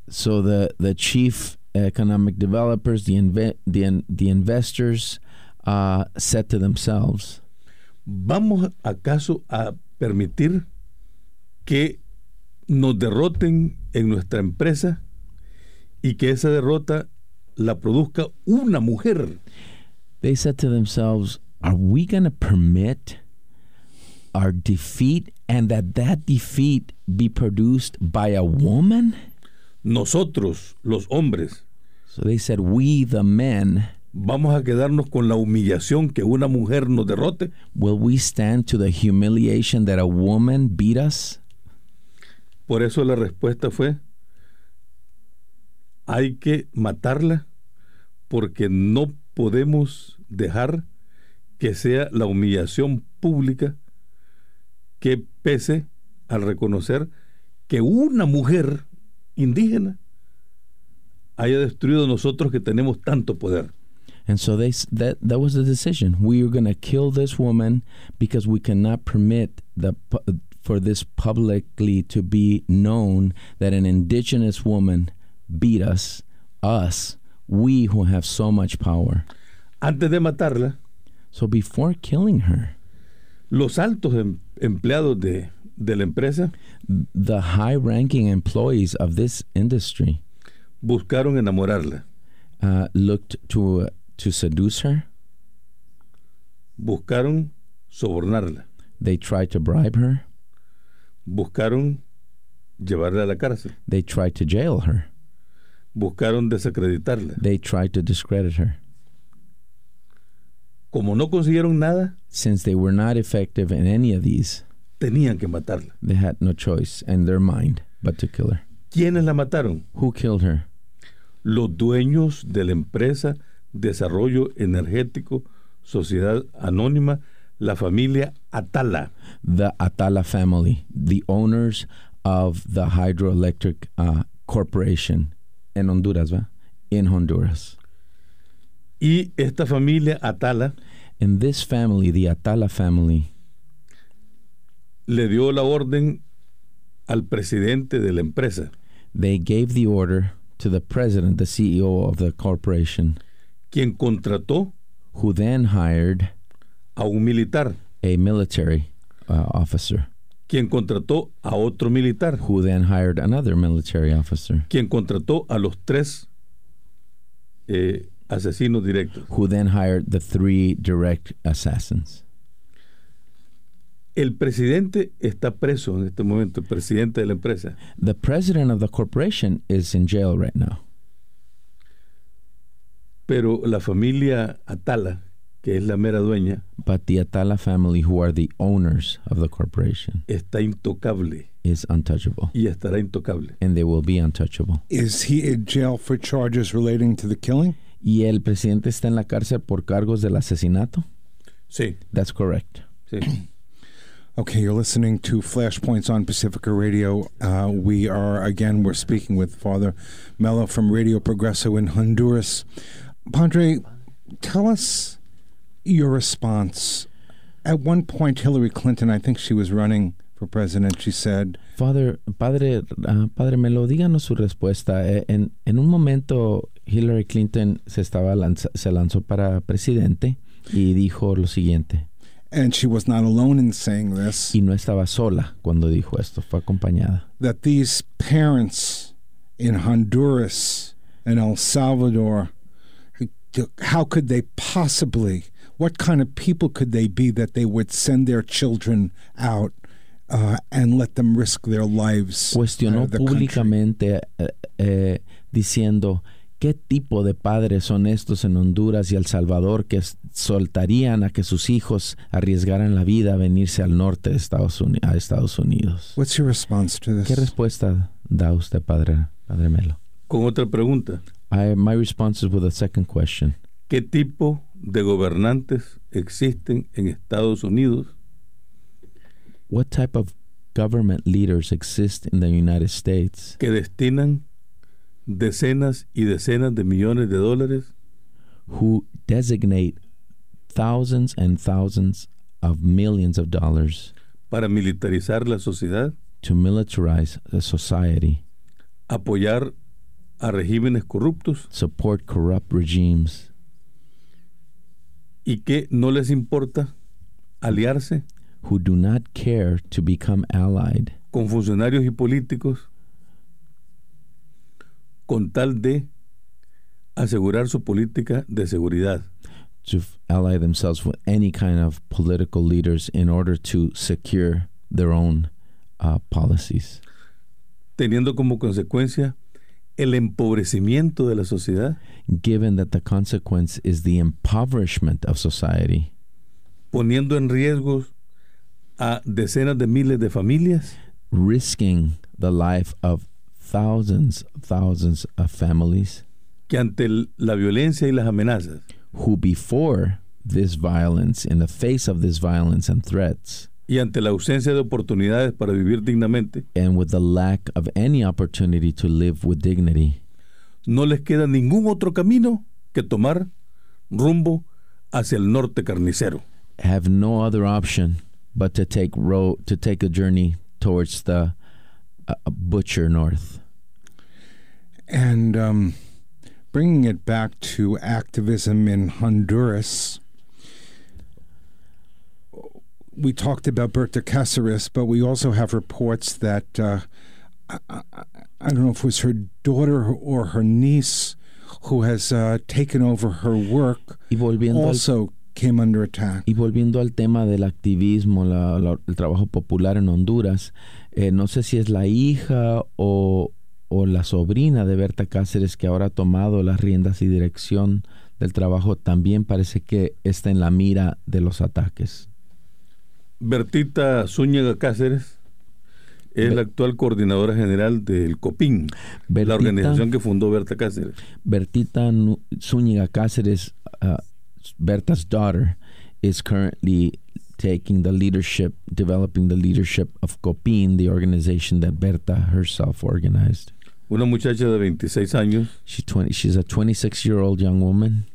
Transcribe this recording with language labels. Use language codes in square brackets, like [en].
[en] So the chief economic developers, the investors said to themselves, [es] ¿vamos acaso a permitir que nos derroten en nuestra empresa y que esa derrota la produzca una mujer? [en] They said to themselves, are we going to permit our defeat and that defeat be produced by a woman? [es] Nosotros, los hombres. [en] So they said, we the men. [es] ¿Vamos a quedarnos con la humillación que una mujer nos derrote? [en] Will we stand to the humiliation that a woman beat us? [es] Por eso la respuesta fue, hay que matarla porque no podemos dejar que sea la humillación pública que pese al reconocer que una mujer indígena haya destruido nosotros que tenemos tanto poder. [en] And so that was the decision. We are going to kill this woman because we cannot permit for this publicly to be known that an indigenous woman beat us, we who have so much power. [es] Antes de matarla, [en] so before killing her, [es] los altos empleados de la empresa, [en] the high-ranking employees of this industry, [es] buscaron enamorarla, [en] looked to seduce her, [es] buscaron sobornarla, [en] they tried to bribe her, [es] buscaron llevarla a la cárcel, [en] they tried to jail her, [es] buscaron desacreditarla, [en] they tried to discredit her. [es] Como no consiguieron nada, [en] since they were not effective in any of these, [es] tenían que matarla. [en] They had no choice in their mind but to kill her. [es] ¿Quiénes la mataron? [en] Who killed her? [es] Los dueños de la empresa Desarrollo Energético Sociedad Anónima, la familia Atala. [en] The Atala family, the owners of the hydroelectric corporation [es] en Honduras, ¿va? [en] In Honduras. [es] Y esta familia Atala, [en] in this family, the Atala family, [es] le dio la orden al presidente de la empresa. [en] They gave the order to the president, the CEO of the corporation, [es] quien contrató, [en] who then hired, [es] a un militar. [en] A military officer. [es] Quien contrató a otro militar. [en] Who then hired another military officer. [es] Quien contrató a los tres asesinos directos. [en] Who then hired the three direct assassins. [es] El presidente está preso en este momento, el presidente de la empresa. [en] The president of the corporation is in jail right now. [es] Pero la familia Atala, que es la mera dueña. [en] But the Atala family, who are the owners of the corporation. [es] Está intocable. [en] Is untouchable. [es] Y estará intocable. [en] And they will be untouchable. Is he in jail for charges relating to the killing? [es] ¿Y el presidente está en la cárcel por cargos del asesinato? Sí. [en] That's correct. [es] Sí. [en] Okay, you're listening to Flashpoints on Pacifica Radio. We're speaking with Father Mello from Radio Progreso in Honduras. Padre, tell us your response. At one point, Hillary Clinton, I think she was running for president, she said... [es] Padre Mello, díganos su respuesta. En un momento, Hillary Clinton se lanzó para presidente y dijo lo siguiente... [en] And she was not alone in saying this. [es] Y no estaba sola cuando dijo esto, fue acompañada. [en] That these parents in Honduras and El Salvador, how could they possibly, what kind of people could they be that they would send their children out and let them risk their lives? [es] Cuestionó públicamente diciendo, ¿qué tipo de padres son estos en Honduras y El Salvador que soltarían a que sus hijos arriesgaran la vida a venirse al norte de Estados Unidos? [en] What's your response to this? [es] ¿Qué respuesta da usted, Padre Mello? Con otra pregunta. [en] My response is with a second question. [es] ¿Qué tipo de gobernantes existen en Estados Unidos? [en] What type of government leaders exist in the United States? [es] ¿Que destinan decenas y decenas de millones de dólares? [en] Who designate thousands and thousands of millions of dollars [es] para militarizar la sociedad, [en] to militarize the society, [es] apoyar a regímenes corruptos, [en] support corrupt regimes, [es] y que no les importa aliarse, [en] who do not care to become allied, [es] con funcionarios y políticos, con tal de asegurar su política de seguridad. [en] To ally themselves with any kind of political leaders in order to secure their own policies. [es] Teniendo como consecuencia el empobrecimiento de la sociedad. [en] Given that the consequence is the impoverishment of society. [es] Poniendo en riesgo a decenas de miles de familias. [en] Risking the life of thousands of families, [es] que ante la violencia y las amenazas, [en] who before this violence, in the face of this violence and threats, [es] y ante la ausencia de oportunidades para vivir dignamente, [en] and with the lack of any opportunity to live with dignity, [es] no les queda ningún otro camino que tomar rumbo hacia el norte carnicero. [en] Have no other option but to take a journey towards the butcher north. And bringing it back to activism in Honduras, we talked about Berta Cáceres, but we also have reports that I don't know if it was her daughter or her niece who has taken over her work also came under attack. [es] Y volviendo al tema del activismo, el trabajo popular en Honduras, no sé si es la hija o la sobrina de Berta Cáceres que ahora ha tomado las riendas y dirección del trabajo, también parece que está en la mira de los ataques. Bertita Zúñiga Cáceres es la actual coordinadora general del COPIN, la organización que fundó Berta Cáceres. [en] Bertita Zúñiga Cáceres, Berta's daughter, is currently taking the leadership, developing the leadership of COPIN, the organization that Berta herself organized. [es] Una muchacha de 26 años. [en] She's a 26-year-old young woman.